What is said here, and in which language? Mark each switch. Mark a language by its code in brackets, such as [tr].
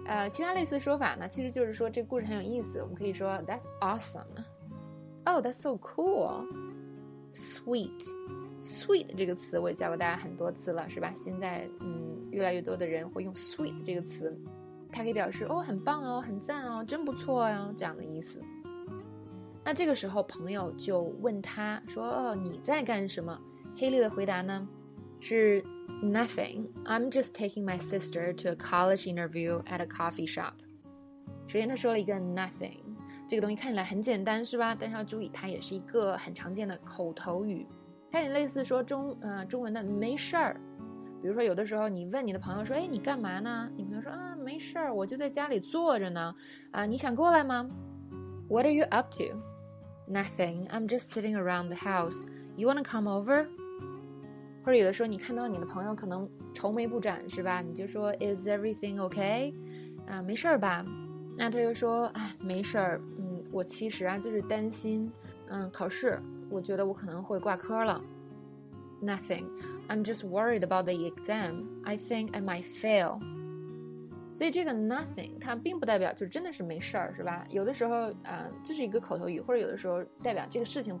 [zh] 其他类似说法呢，其实就是说这个故事很有意思，我们可以说 [en] "That's awesome"， "Oh, that's so cool"， [zh] "Sweet"， "Sweet" 这个词我也教过大家很多次了，是吧？现在越来越多的人会用 "Sweet" 这个词，它可以表示哦，很棒哦，很赞哦，真不错呀、哦，这样的意思。那这个时候朋友就问他说、哦、你在干什么？ [en] Haley [zh] 的回答呢是 [en] Nothing, I'm just taking my sister to a college interview at a coffee shop. [zh] 首先他说了一个 Nothing， 这个东西看起来很简单，是吧？但是要注意它也是一个很常见的口头语，它也类似说 中文的没事儿。比如说有的时候你问你的朋友说哎，你干嘛呢？你朋友说啊，没事儿，我就在家里坐着呢，你想过来吗？ [en] What are you up to? Nothing. I'm just sitting around the house. You want to come over? [zh] 或者有的时候你看到你的朋友可能愁眉不展，是吧？你就说 [en] Is everything okay? [zh] 没事吧？那他就说哎，没事儿。我其实啊就是担心，考试，我觉得我可能会挂科了。 [en] Nothing. I'm just worried about the exam. I think I might fail. [zh] 所以这个 nothing 它并不代表就真的是没事儿，是吧？有的时候这是一个口头语，或者有的时候代表这个事情不是很严重，或者说对你没有太大的影响。